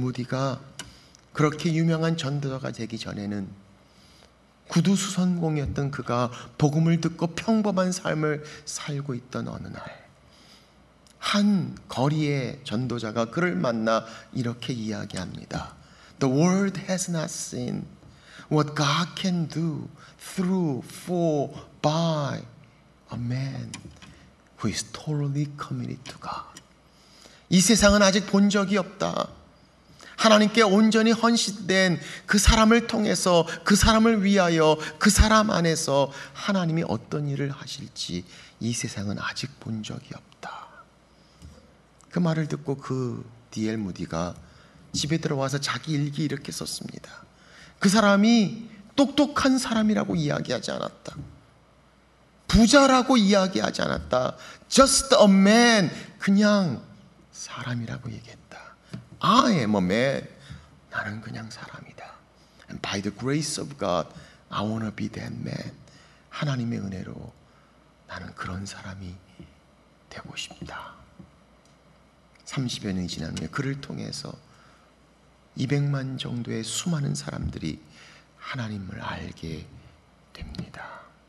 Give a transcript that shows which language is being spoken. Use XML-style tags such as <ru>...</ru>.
<ko>무디가 그렇게 유명한 전도자가 되기 전에는 구두수선공이었던 그가 복음을 듣고 평범한 삶을 살고 있던 어느 날, 한 거리의 전도자가 그를 만나 이렇게 이야기합니다.</ko> <en>The world has not seen what God can do through, for, by a man who is totally committed to God.</en> <ko>이 세상은 아직 본 적이 없다. 하나님께 온전히 헌신된 그 사람을 통해서 그 사람을 위하여 그 사람 안에서 하나님이 어떤 일을 하실지 이 세상은 아직 본 적이 없다. 그 말을 듣고 그 DL 무디가 집에 들어와서 자기 일기 이렇게 썼습니다. 그 사람이 똑똑한 사람이라고 이야기하지 않았다. 부자라고 이야기하지 않았다.</ko> <en>Just a man,</en> <ko>그냥 사람이라고 얘기했다.</ko> <en>I am a man.</en> <ko>나는 그냥 사람이다.</ko> <en>And by the grace of God, I want to be that man.</en> <ko>하나님의 은혜로 나는 그런 사람이 되고 싶다. 30여 년이 지난 후에 그를 통해서 200만 정도의 수많은 사람들이 하나님을 알게 됩니다.</ko>